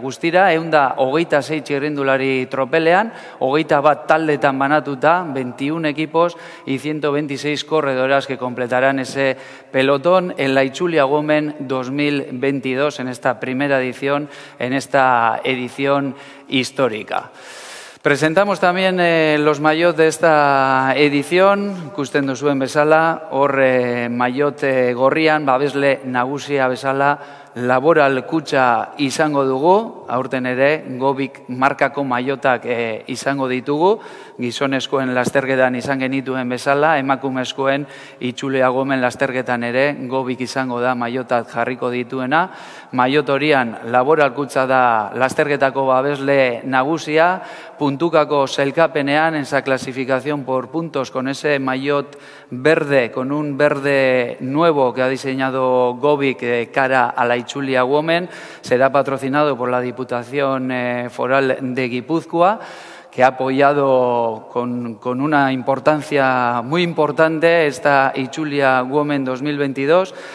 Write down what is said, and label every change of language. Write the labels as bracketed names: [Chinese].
[Basque] Guztira, 126 txirrindulari tropelean, 21 taldetan banatuta, [Spanish] 21 equipos y 126 corredoras que completarán ese pelotón en la Itzulia Women 2022, en esta primera edición, en esta edición histórica. Presentamos también los maillots de esta edición. [Basque] Ikusten duzuen bezala, hor maillot gorrian, babesle nagusia bezala, Laboral Kutxa izango dugu. Aurten ere, Gobik markako maillotak izango ditugu. Gizonezkoen lasterketan izan genituen bezala, emakumezkoen Itzulia Women lasterketan ere, Gobik izango da maillotak jarriko dituena. Maillot horian, Laboral Kutxa da lasterketako babesle nagusia. Puntukako sailkapenean, [Spanish] en esa clasificación por puntos, con ese maillot verde, con un verde nuevo que ha diseñado Gobik cara a la Itzulia Women, será patrocinado por la Diputación Foral de Gipuzkoa, que ha apoyado con una importancia muy importante esta Itzulia Women 2022.